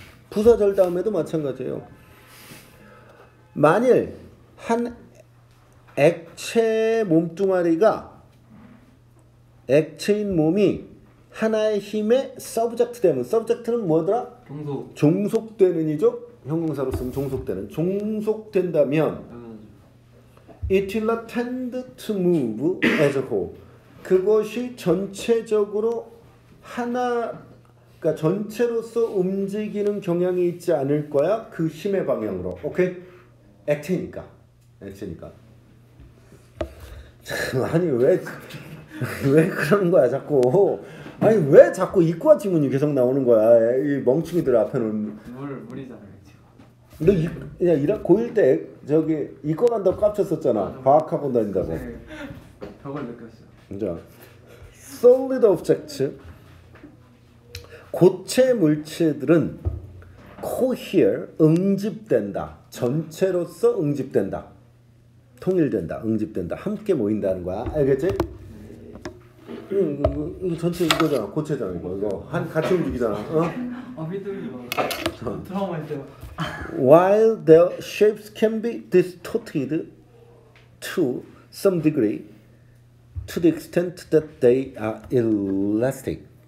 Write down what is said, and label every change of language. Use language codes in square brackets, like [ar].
[ko] 부사절 다음에도 마찬가지예요. 만일 한 액체의 몸뚱아리가 액체인 몸이 하나의 힘에 서브젝트 되면 서브젝트는 뭐더라? 종속. 종속되는이죠? 형용사로 쓰면 종속되는. 종속된다면 [en] It will not tend to move as a whole. [ko] 그것이 전체적으로 하나, 그러니까 전체로서 움직이는 경향이 있지 않을 거야. 그 힘의 방향으로. 오케이? 액체니까. 액체니까. 아니 왜 그런 거야 자꾸. 아니 왜 자꾸 이과 질문이 계속 나오는 거야. 이 멍충이들 앞에 놓은. 물이잖아. 너 이 그냥 이라 고일 때 저기 이거 간다고 깝쳤었잖아. 과학 학원 다닌다고. 그걸 느꼈어. 자, solid objects, 고체 물체들은 cohere, 응집된다. 전체로서 응집된다. 통일된다. 응집된다. 함께 모인다는 거야. 알겠지? 이거 전체 이거잖아. 고체잖아 이거. 이거 한 같이 움직이잖아. 어? 아 휘둘리 봐. 드라마 있잖아. [en] While their shapes can be distorted to some degree to the extent that they are elastic.